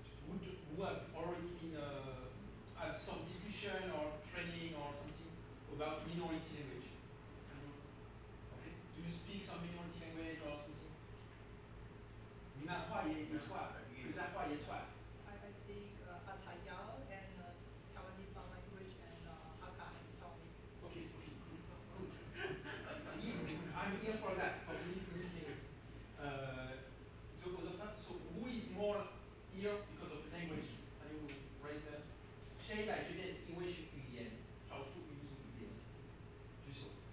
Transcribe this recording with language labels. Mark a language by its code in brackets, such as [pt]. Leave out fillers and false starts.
[en] Would have already been had some discussion or training or something about minority language? Do you speak some minority language or something? [zh] 闽南话也算，客家话也算。 [en] I speak Atayal and Taiwanese sign language and Hakka Taiwanese. Okay. I'm here for that. For minority language. So because of that, so who is more here because of languages? Can you raise that? [zh] 谁来这边因为是语言，少数民族语言，举手。